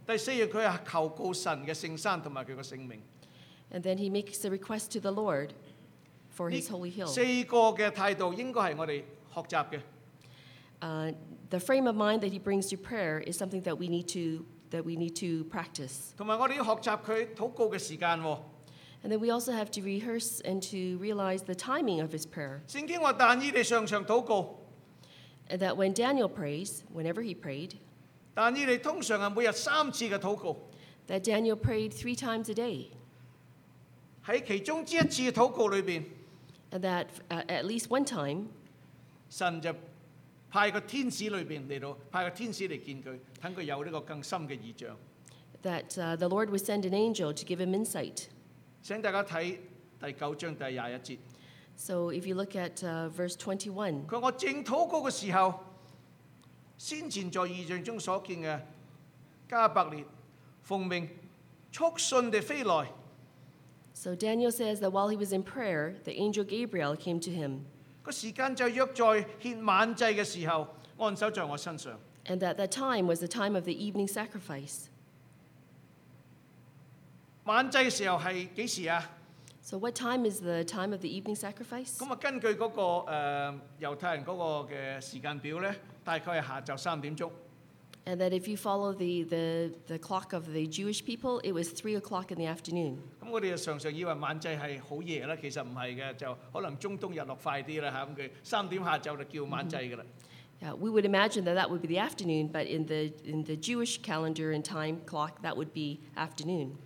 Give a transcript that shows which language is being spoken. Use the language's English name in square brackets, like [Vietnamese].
[English] And then he makes a request to the Lord for his holy hill. The frame of mind that he brings to prayer is something that we need to practice. And we need to practice his prayer time. And then we also have to rehearse and to realize the timing of his prayer. [Cantonese] 聖經話但以利常常禱告。 [English] And that when Daniel prays, whenever he prayed, [Cantonese] 但以利通常係每日三次嘅禱告。 [English] That Daniel prayed three times a day. [Cantonese] 喺其中之一次禱告裏邊。 [English] And that at least one time, [Cantonese] 神就派個天使裏邊嚟到，派個天使嚟見佢，等佢有呢個更深嘅異象。 [English] That the Lord would send an angel to give him insight. [Cantonese] 請大家睇第九章第廿一節。 [English] So if you look at verse 21, [Cantonese] 佢我正禱告嘅時候，先前在異象中所見嘅加百列奉命速遜地飛來。 [English] So Daniel says that while he was in prayer, the angel Gabriel came to him. [Cantonese] 個時間就約在獻晚祭嘅時候，按手在我身上。 [English] And that time was the time of the evening sacrifice. [Cantonese] 晚祭嘅時候係幾時啊？ [English] So what time is the time of the evening sacrifice? [Cantonese] 咁啊，根據嗰個猶太人嗰個嘅時間表咧，大概係下晝三點鐘。 [English] And that if you follow the clock of the Jewish people, it was 3 o'clock in the afternoon. [Cantonese] 咁我哋就常常以為晚祭係好夜啦，其實唔係嘅，就可能中東日落快啲啦嚇，咁佢三點下晝就叫晚祭噶啦。 [English] Yeah, we would imagine that that would be the afternoon, but in the Jewish calendar and time clock, that would be afternoon.